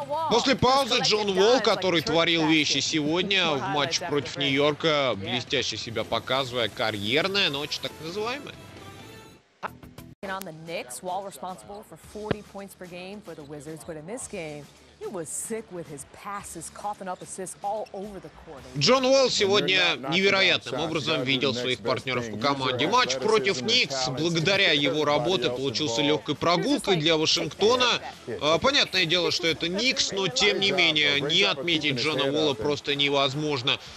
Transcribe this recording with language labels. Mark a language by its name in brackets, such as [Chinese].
[Russian] После паузы Джон Уолл, который творил вещи сегодня в матче против Нью-Йорка, блестяще себя показывая, карьерная ночь, так называемая. [English] On the Knicks, Wall responsible for 40 points per game for the Wizards, but in this game, he was sick with his passes, coughing up assists all over the court. [Russian] Джон Уолл сегодня невероятным образом видел своих партнеров по команде. Матч против Knicks, благодаря его работе, получился легкой прогулкой для Вашингтона. Понятное дело, что это Knicks, но тем не менее, не отметить Джона Уолла просто невозможно.